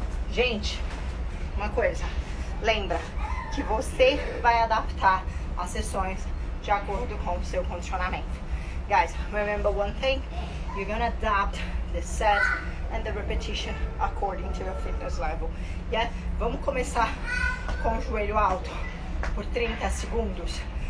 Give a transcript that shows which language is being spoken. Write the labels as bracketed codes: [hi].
[pt] Gente, uma coisa, lembra que você vai adaptar as sessões de acordo com o seu condicionamento. [en] Guys, remember one thing, you're gonna adapt the set and the repetition according to your fitness level. Yeah? [pt] Vamos começar com o joelho alto por 30 segundos.